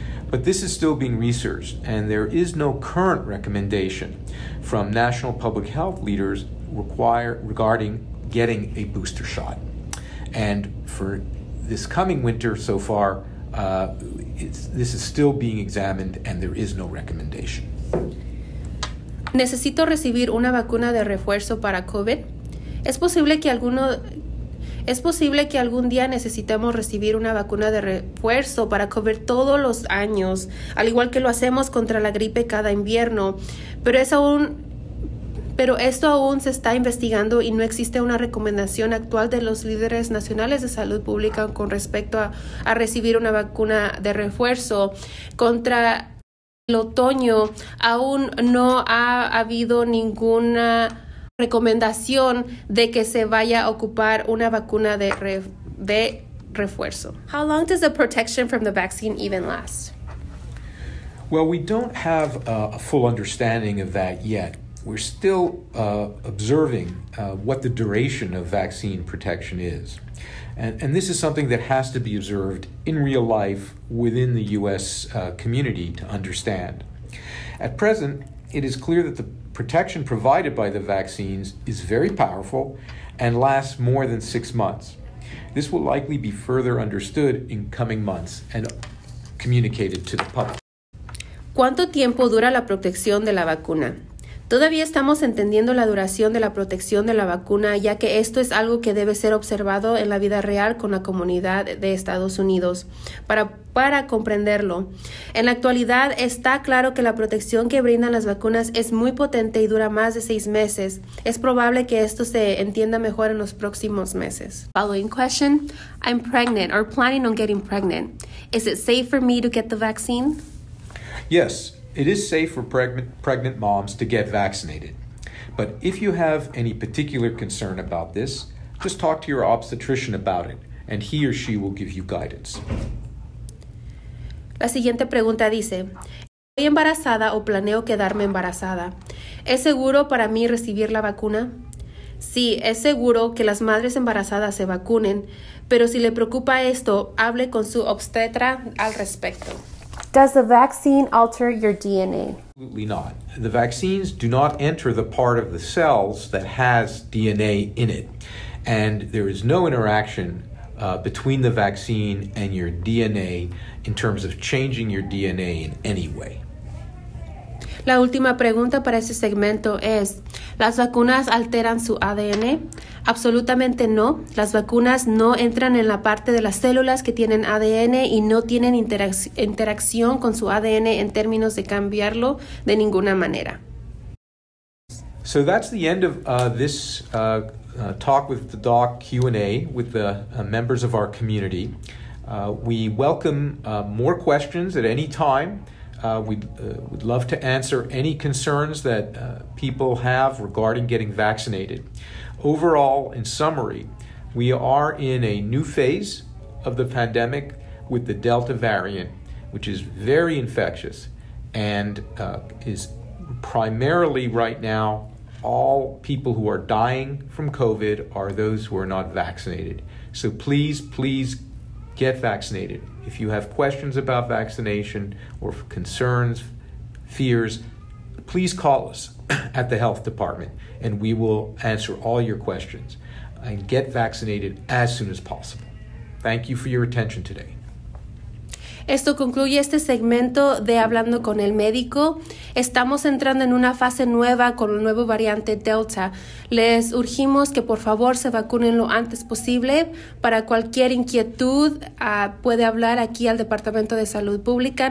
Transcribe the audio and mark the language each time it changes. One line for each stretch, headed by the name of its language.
English: But this is still being researched, and there is no current recommendation from national public health leaders regarding getting a booster shot. And for this coming winter so far, this is still being examined, and there is no recommendation.
Spanish: Necesito recibir una vacuna de refuerzo para COVID. Es posible que algún día necesitemos recibir una vacuna de refuerzo para COVID todos los años, al igual que lo hacemos contra la gripe cada invierno, pero esto aún se está investigando y no existe una recomendación actual de los líderes nacionales de salud pública con respecto a recibir una vacuna de refuerzo. Contra el otoño, aún no ha habido ninguna recomendación de que se vaya a ocupar una vacuna de refuerzo.
English: How long does the protection from the vaccine even last? Well, we don't have a full understanding of that yet. We're still observing what the duration of vaccine protection is. And this is something that has to be observed in real life within the U.S. Community to understand. At present, it is clear that the protection provided by the vaccines is very powerful and lasts more than 6 months. This will likely be further understood in coming months and communicated to the public.
Spanish: ¿Cuánto tiempo dura la protección de la vacuna? Todavía estamos entendiendo la duración de la protección de la vacuna, ya que esto es algo que debe ser observado en la vida real con la comunidad de Estados Unidos para comprenderlo. En la actualidad, está claro que la protección que brindan las vacunas es muy potente y dura más de 6 meses. Es probable que esto se entienda mejor en los próximos meses.
English: Following question, I'm pregnant or planning on getting pregnant. Is it safe for me to get the vaccine? Yes. It is safe for pregnant moms to get vaccinated. But if you have any particular concern about this, just talk to your obstetrician about it, and he or she will give you guidance.
Spanish: La siguiente pregunta dice, ¿estoy embarazada o planeo quedarme embarazada? ¿Es seguro para mí recibir la vacuna? Sí, es seguro que las madres embarazadas se vacunen, pero si le preocupa esto, hable con su obstetra al respecto.
English: Does the vaccine alter your DNA? Absolutely not. The vaccines do not enter the part of the cells that has DNA in it. And there is no interaction between the vaccine and your DNA in terms of changing your DNA in any way.
Spanish: La última pregunta para este segmento es, ¿las vacunas alteran su ADN? Absolutamente no. Las vacunas no entran en la parte de las células que tienen ADN y no tienen interacción con su ADN en términos de cambiarlo de ninguna manera.
English: So that's the end of this talk with the doc Q&A with the members of our community. We welcome more questions at any time. We'd love to answer any concerns that people have regarding getting vaccinated. Overall, in summary, we are in a new phase of the pandemic with the Delta variant, which is very infectious and is primarily right now, all people who are dying from COVID are those who are not vaccinated. So please, please get vaccinated. If you have questions about vaccination or concerns, fears, please call us at the health department and we will answer all your questions and get vaccinated as soon as possible. Thank you for your attention today.
Spanish: Esto concluye este segmento de Hablando con el Médico. Estamos entrando en una fase nueva con el nuevo variante Delta. Les urgimos que por favor se vacunen lo antes posible. Para cualquier inquietud, puede hablar aquí al Departamento de Salud Pública.